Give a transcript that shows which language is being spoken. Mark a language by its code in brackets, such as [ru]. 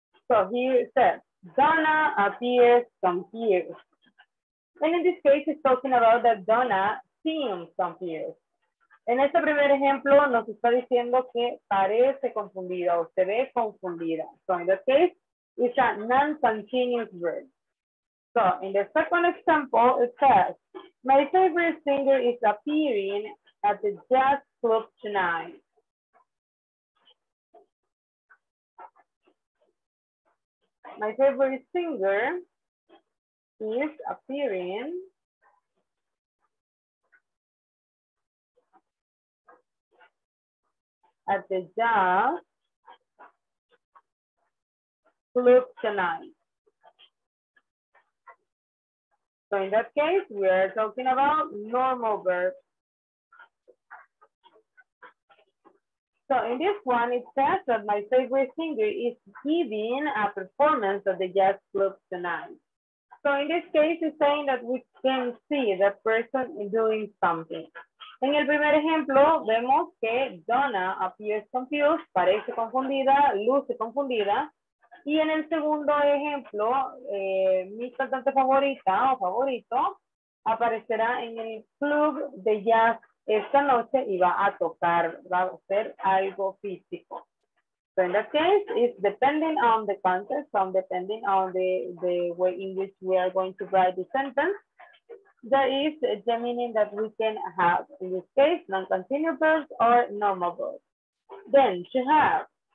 [en] So here it says, Donna appears confused. And in this case, it's talking about that Donna seems confused. [es] En este primer ejemplo, nos está diciendo que parece confundida o se ve confundida. [en] So in this case, it's a non-continuous verb. So in the second example, it says, my favorite singer is appearing at the jazz club tonight. My favorite singer is appearing at the jazz club tonight. So in that case, we are talking about normal verbs. So in this one, it says that my favorite singer is giving a performance at the jazz club tonight. So in this case, it's saying that we can see that person doing something. [es] En el primer ejemplo, vemos que [en] Donna appears confused, [es] parece confundida, luce confundida. Y en el segundo ejemplo, mi cantante favorita o favorito aparecerá en el club de jazz esta noche y va a tocar, va a hacer algo físico. [en] So in that case, it's depending on the context, so depending on the way in which we are going to write the sentence, that is the meaning that we can have. In this case, non-continuous verbs or normal verbs. Then, to have.